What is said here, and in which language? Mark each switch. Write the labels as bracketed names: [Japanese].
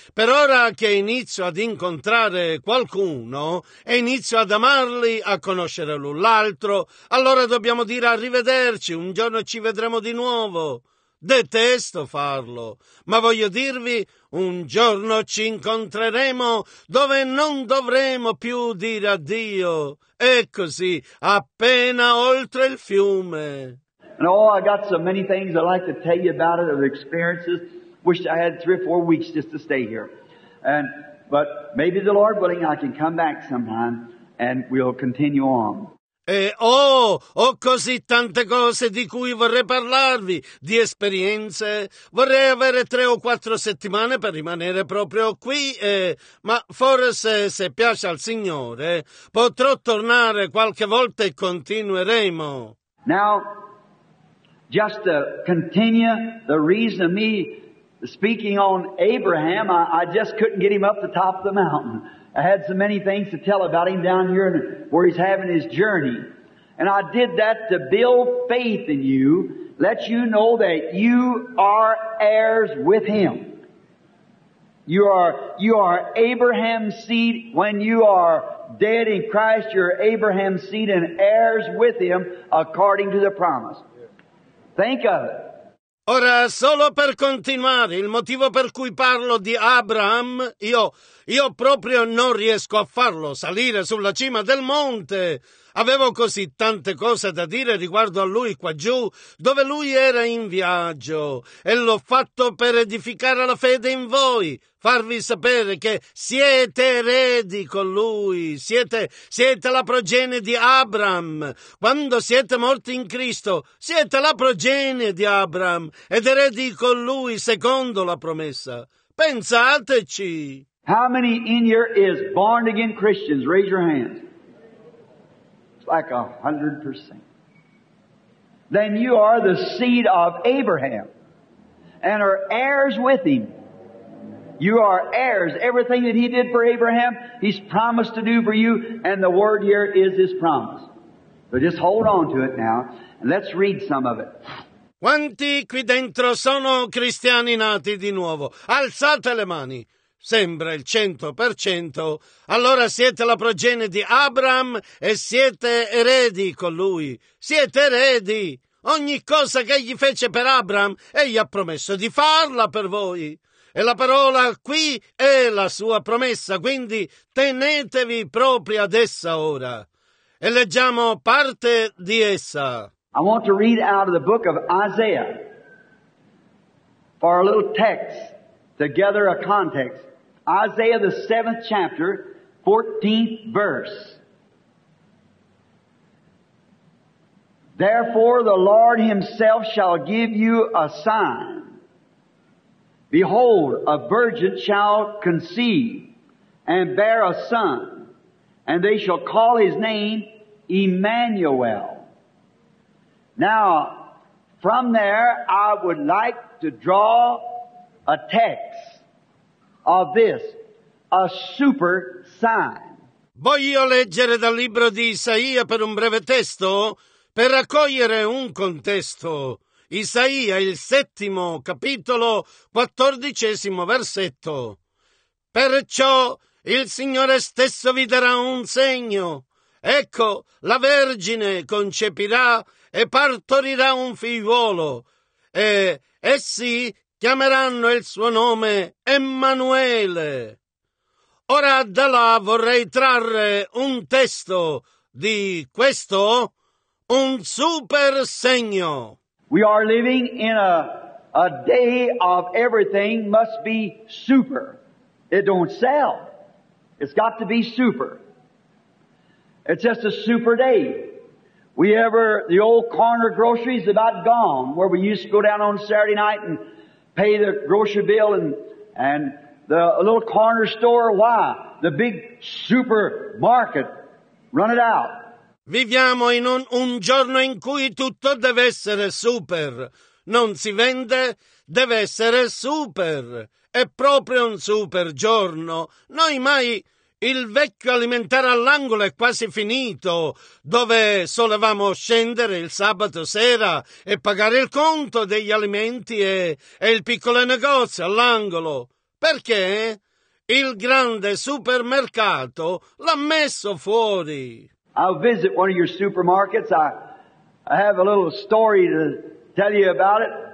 [Italian] Per ora che inizio ad incontrare qualcuno e inizio ad amarli, a conoscere l'un l'altro, allora dobbiamo dire arrivederci, un giorno ci vedremo di nuovo. Detesto farlo, ma voglio dirvi, un giorno ci incontreremo dove non dovremo più dire addio. E così, appena oltre il fiume. [English] And oh, I got so many things I'd like to tell you about it, of experiences. Wish I had 3 or 4 weeks just to stay here. But maybe the Lord willing, I can come back sometime and we'll continue on. [Italian] Ho così tante cose di cui vorrei parlarvi, di esperienze. Vorrei avere 3 o 4 settimane per rimanere proprio qui, ma forse, se piace al Signore, potrò tornare qualche volta e continueremo. [English] Now, just to continue the reason of me speaking on Abraham, I just couldn't get him up the top of the mountain. I had so many things to tell about him down here where he's having his journey. And I did that to build faith in you, let you know that you are heirs with him. You are Abraham's seed. When you are dead in Christ, you're Abraham's seed and heirs with him according to the promise. Think of it. [Italian] Ora, solo per continuare, il motivo per cui parlo di Abraham, io proprio non riesco a farlo, salire sulla cima del monte. Avevo così tante cose da dire riguardo a lui qua giù, dove lui era in viaggio, e l'ho fatto per edificare la fede in voi, farvi sapere che siete eredi con lui, siete la progenie di Abraham. Quando siete morti in Cristo, siete la progenie di Abraham ed eredi con lui secondo la promessa. Pensateci! [English] How many in here is born again Christians? Raise your hands. Like 100%. Then you are the seed of Abraham and are heirs with him. You are heirs. Everything that he did for Abraham, he's promised to do for you, and the word here is his promise. So just hold on to it now, and let's read some of it. [Italian] Quanti qui dentro sono cristiani nati di nuovo? Alzate le mani. Sembra il 100%. Allora siete la progenie di Abraham e siete eredi con lui. Siete eredi. Ogni cosa che egli fece per Abraham, egli ha promesso di farla per voi. E la parola qui è la sua promessa, quindi tenetevi proprio ad essa ora. E leggiamo parte di essa. [English] I want to read out of the book of Isaiah for a little text to gather a context. Isaiah, the 7th chapter, 14th verse. Therefore the Lord himself shall give you a sign. Behold, a virgin shall conceive and bear a son, and they shall call his name Emmanuel. Now, from there, I would like to draw a text of this, a super sign. [Italian] Voglio leggere dal libro di Isaia per un breve testo, per raccogliere un contesto. Isaia, il 7° capitolo, 14° versetto. Perciò il Signore stesso vi darà un segno. Ecco, la Vergine concepirà e partorirà un figliuolo, e essi chiameranno il suo nome Emmanuele. Ora da là vorrei trarre un testo di questo, un super segno. [English] We are living in a day of everything must be super. It don't sell. It's got to be super. It's just a super day. The old corner grocery is about gone, where we used to go down on Saturday night and pay the grocery bill and the little corner store. Why? The big supermarket. Run it out. [Italian] Viviamo in un giorno in cui tutto deve essere super. Non si vende, deve essere super. È proprio un super giorno. Noi mai il vecchio alimentare all'angolo è quasi finito, dove solevamo scendere il sabato sera e pagare il conto degli alimenti e il piccolo negozio all'angolo. Perché? Il grande supermercato l'ha messo fuori. [English] I'll visit one of your supermarkets. I have a little story to tell you about it.